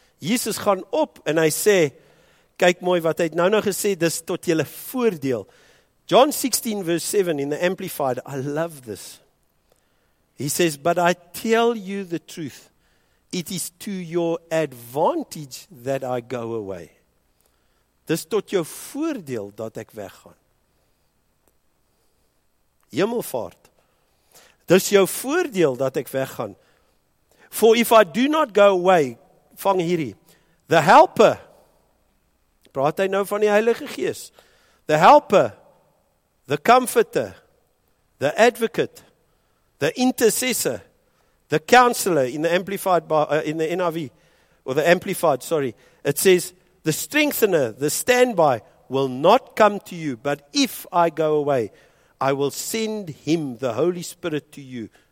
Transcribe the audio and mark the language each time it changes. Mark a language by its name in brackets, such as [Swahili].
[Afrikaans] Jesus gaan op en hy sê, kyk mooi wat hy het nou gesê, dis tot julle voordeel. [English] John 16 verse 7 in the Amplified, I love this. He says, but I tell you the truth. It is to your advantage that I go away. [Afrikaans] Dis tot jou voordeel dat ek weggaan. Hemelvaart. Dis jou voordeel dat ek weggaan. [English] For if I do not go away, [Afrikaans] vang hierdie, [English] the helper, [Afrikaans] praat hy nou van die Heilige Gees, [English] the helper, the comforter, the advocate, the intercessor, the counselor, in the Amplified, in the NIV, or the Amplified, sorry, it says, the strengthener, the standby, will not come to you, but if I go away, I will send him, the Holy Spirit, to you.